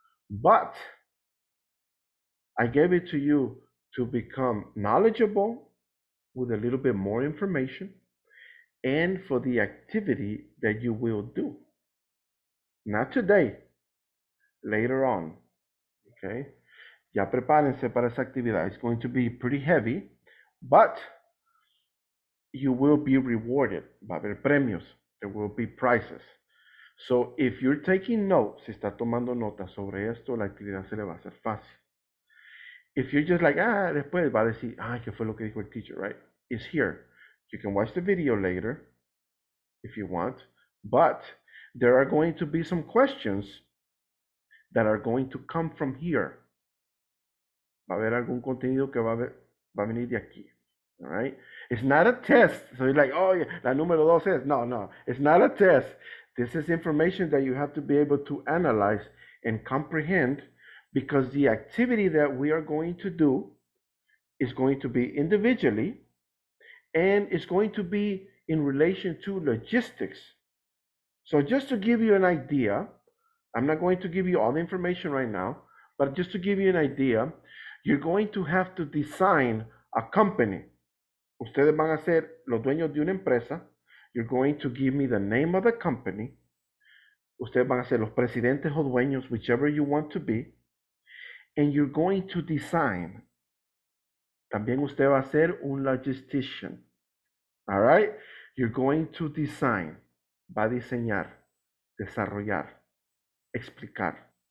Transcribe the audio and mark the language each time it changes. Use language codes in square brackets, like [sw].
[en] But I gave it to you to become knowledgeable with a little bit more information and for the activity that you will do. Not today, later on, okay? [es] Ya prepárense para esa actividad. [en] It's going to be pretty heavy, but you will be rewarded. [es] Va a haber premios. [en] There will be prizes. So if you're taking notes, [es] si está tomando notas sobre esto, la actividad se le va a hacer fácil. [en] If you're just like, [es] después va a decir, ¿qué fue lo que dijo el teacher, right? [en] It's here. You can watch the video later if you want, but there are going to be some questions that are going to come from here. [es] Va a haber algún contenido que va a venir de aquí, all right? [en] It's not a test. So you're like, [es] la número dos es. [en] No, it's not a test. This is information that you have to be able to analyze and comprehend, because the activity that we are going to do is going to be individually and it's going to be in relation to logistics. So just to give you an idea, I'm not going to give you all the information right now, but just to give you an idea, you're going to have to design a company. [es] Ustedes van a ser los dueños de una empresa. [en] You're going to give me the name of the company. [es] Ustedes van a ser los presidentes o dueños, [en] whichever you want to be. And you're going to design. [es] También usted va a ser un [en] logistician. All right? You're going to design. [es] Va a diseñar, desarrollar, explicar.